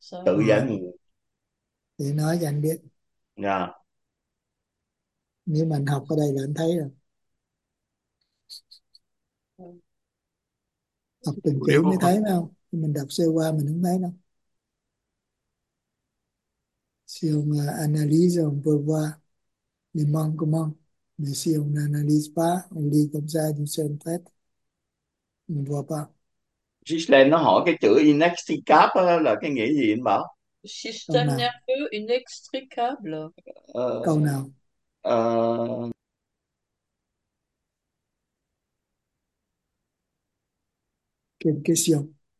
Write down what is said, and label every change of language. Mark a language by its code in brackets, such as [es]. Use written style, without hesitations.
[vi] Tự giải mù. Thì nói cho anh biết, Dạ. nếu mà anh học ở đây là anh thấy rồi, học từng chữ mới Hiểu thấy phải không? Mình đọc sơ qua mình không thấy đâu. [fr] Si on analyse, on peut voir les manquements. Mais si on n'analyse pas, on lit comme ça d'une seule traite, on ne voit pas. [vi] Gislaine nó hỏi cái chữ inextricable là cái nghĩa gì anh bảo? [fr] Système nerveux inextricable. [vi] Câu nào? [fr] Quelle question?